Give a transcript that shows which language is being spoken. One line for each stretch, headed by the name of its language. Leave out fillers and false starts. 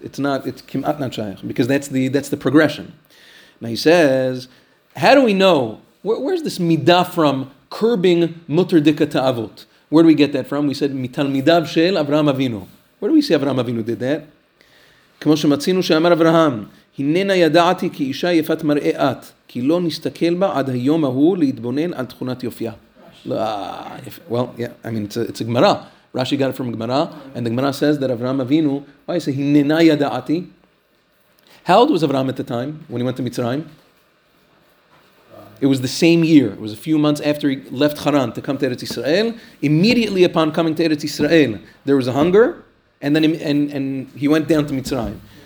English: It's not, it's Kim'at Nachayach, because that's the progression. Now he says, how do we know, where's this Midah from curbing Mutar Dika Ta'avot? Where do we get that from? We said,
Hebrew: Mital Midav Shel Avraham Avinu.
English: Where do we see Avraham Avinu did that?
Hebrew: Kamo Shematzinu Sheamar Avraham. הננה ידעתי כי אישה יפת מראה את, כי לא נסתכל בה עד היום ההוא להתבונן על תכונת יופיה.
English: Well, yeah, I mean, it's a Gemara. Rashi got it from Gemara, and the Gemara says that Avraham Avinu, why is it,
Hebrew: הננה ידעתי?
English: How old was Avraham at the time, when he went to Mitzrayim? It was the same year. It was a few months after he left Haran to come to Eretz Yisrael. Immediately upon coming to Eretz Yisrael, there was a hunger, and then he went down to Mitzrayim.